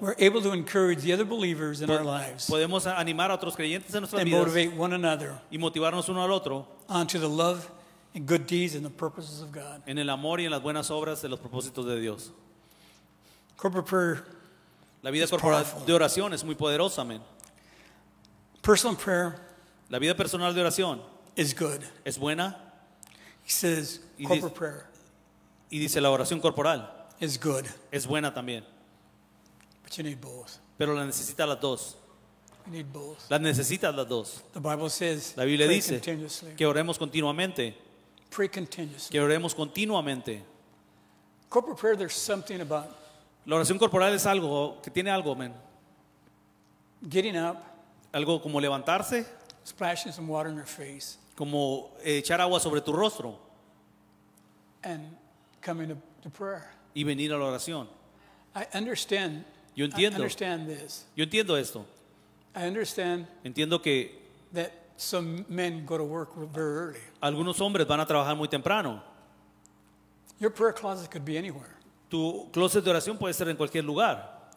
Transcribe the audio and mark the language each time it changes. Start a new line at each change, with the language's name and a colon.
English: We're able to encourage the other believers in our lives.
Spanish: Podemos animar a otros creyentes en nuestras vidas.
English: And motivate one another.
Spanish: Y motivarnos uno al otro.
English: Onto the love and good deeds and the purposes of God.
Spanish: En el amor y en las buenas obras de los propósitos de Dios.
English: Corporate prayer.
Spanish: La vida corporal de oración es muy poderosa, amén.
English: Personal prayer.
Spanish: La vida personal de oración.
English: Is good.
Spanish: Es buena.
English: He says corporate prayer.
Spanish: Y dice la oración corporal
English: is good.
Spanish: Es buena también.
English: But you need both.
Spanish: Pero la necesita las dos.
English: You need both.
Spanish: La necesita las dos.
English: The Bible says,
Spanish: la Biblia dice que oremos continuamente.
English: Pray continuously.
Spanish: Que oremos continuamente.
English: Corporate prayer, there's something about.
Spanish: La oración corporal es algo que tiene algo, man.
English: Getting up.
Spanish: Algo como levantarse.
English: Splashing some water in your face.
Spanish: Como echar agua sobre tu rostro.
English: And coming to prayer.
Spanish: Y venir a la oración.
English: I understand.
Spanish: Yo entiendo.
English: I understand this.
Spanish: Yo entiendo esto.
English: I understand.
Spanish: Entiendo que
English: that some men go to work very early.
Spanish: Algunos hombres van a trabajar muy temprano.
English: Your prayer closet could be anywhere.
Spanish: Tu closet de oración puede ser en cualquier lugar.